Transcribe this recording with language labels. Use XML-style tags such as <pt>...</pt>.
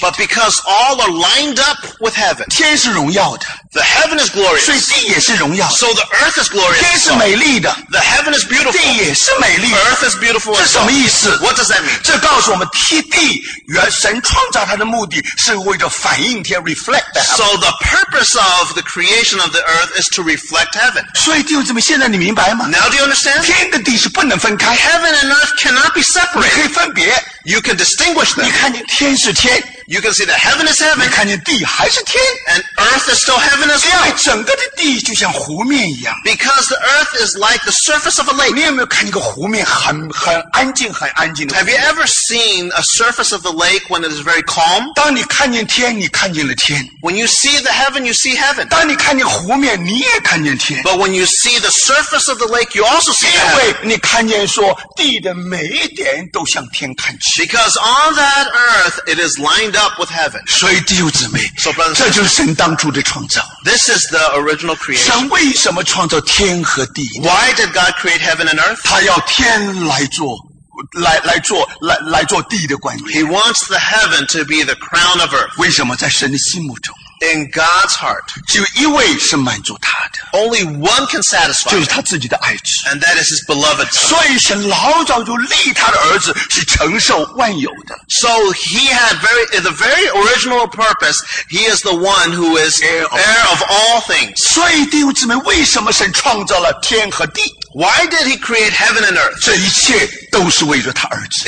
<en>But because all are lined up with heaven.</en> <zh>天是荣耀的。</zh> <en>The heaven is glorious.</en> <zh>所以地也是荣耀。</zh> <en>So the earth is glorious.</en> <zh>天是美丽的。</zh> <en>The heaven is beautiful.</en> <zh>地也是美丽的。</zh> <en>Earth is beautiful.</en> <zh>这什么意思？</zh> <en>What does that mean?</en> <zh>这告诉我们地原神创造它的目的是为了反映天</zh> <en>reflect the heaven. So the purpose of the creation of the earth is to reflect heaven.</en> <zh>所以弟兄姊妹，现在你明白吗？</zh> <en>Now do you understand?</en> <zh>天跟地是不能分开。</zh> <en>Heaven andEarth cannot be separate.</en> <zh>你可以分别。</zh> <en>You can distinguish them.</en> <zh>你看见天是天。</zh> <en>You can see that heaven is heaven.</en> <zh>你看见地还是天。</zh> <en>And earth is still heaven as well.</en> <zh>因为整个的地就像湖面一样。</zh> <en>Because the earth is like the surface of a lake.</en> <zh>你有没有看见一个湖面很安静很安静的湖</zh> <en>面？ Have you ever seen a surface of the lake when it is very calm?</en> <zh>当你看见天，你看见了天。</zh> <en>When you see the heaven, you see heaven.</en> <zh>当你看见湖面，你也看见天。</zh> <en>But when you see the surface of the lake, you also see heaven.</en> <zh>因为你看见说地的每一点都向天看齐。</zh> <en>Because on that earth, it is lined up with heaven.</en> <zh>所以弟兄姊妹，这就是神当初的创造。</zh> <en>This is the original creation.</en> <zh>神为什么创造天和地？</zh> <en>Why did God create heaven and earth?</en> <zh>他要天来做地的冠冕。</zh> <en>He wants the heaven to be the crown of earth.</en> <zh>为什么在神的心目中？</zh> <en>In God's heart.</en> <zh>只有一位是满足他的。</zh> <en>Only one can satisfy.</en> <zh>就是他自己的爱子。</zh> <en>And that is his beloved son.</en> <zh>所以神老早就立他的儿子是承受万有的。</zh> <en>So he had the very original purpose, he is the one who is heir of all things.</en> <zh>所以弟兄姊妹，为什么神创造了天和地？</zh> <en>Why did he create heaven and earth?</en> <zh>这一切都是为着他儿子。</zh>